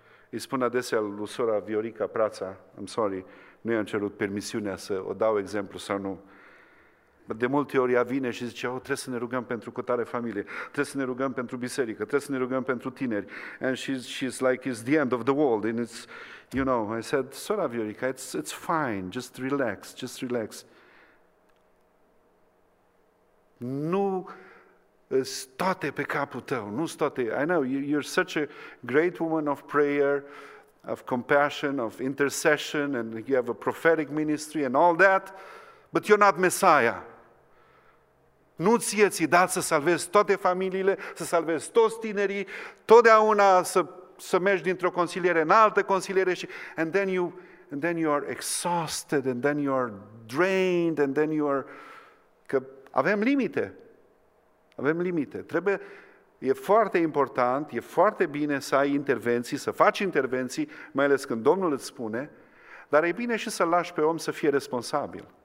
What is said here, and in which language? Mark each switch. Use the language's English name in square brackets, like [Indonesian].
[Romanian] Îi spun adesea lui sora Viorica Prața, [English] I'm sorry, [Romanian] nu i-am cerut permisiunea să o dau exemplu sau nu. De multe ori ea vine și zice, trebuie să ne rugăm pentru cutare familie, trebuie să ne rugăm pentru biserică, trebuie să ne rugăm pentru tineri. [English] And she's like, it's the end of the world. And it's, you know, I said, sora Viorica, it's fine, just relax. [Romanian] Nu sunt toate pe capul tău, nu sunt toate. [English] I know, you're such a great woman of prayer, of compassion, of intercession, and you have a prophetic ministry and all that, but you're not Messiah. [Romanian] Nu ție ți-i dat să salvezi toate familiile, să salvezi toți tinerii, totdeauna să mergi dintr-o consiliere în altă consiliere și [English] and then you are [Romanian] exhausted and then you are drained and then you are... Că avem limite. Trebuie, e foarte important, e foarte bine să ai intervenții, să faci intervenții, mai ales când Domnul îți spune, dar e bine și să-l lași pe om să fie responsabil.